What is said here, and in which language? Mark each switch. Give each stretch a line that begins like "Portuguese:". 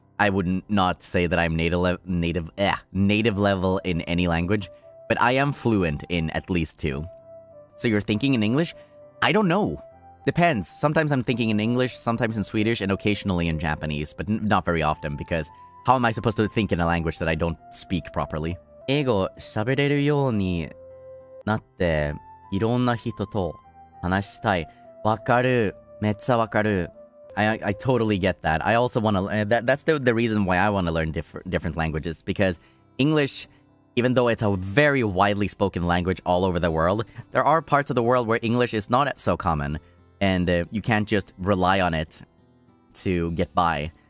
English: I would not say that I'm native level in any language, but I am fluent in at least two. So you're thinking in English? I don't know. Depends. Sometimes I'm thinking in English, sometimes in Swedish, and occasionally in Japanese, but not very often, because how am I supposed to think in a language that I don't speak properly?
Japanese: 英語喋れるようになって、いろんな人と話したい。わかる。めっちゃわかる。
English: I totally get that. I also want to... That's the reason why I want to learn different languages. Because English, even though it's a very widely spoken language all over the world, there are parts of the world where English is not so common. And you can't just rely on it to get by.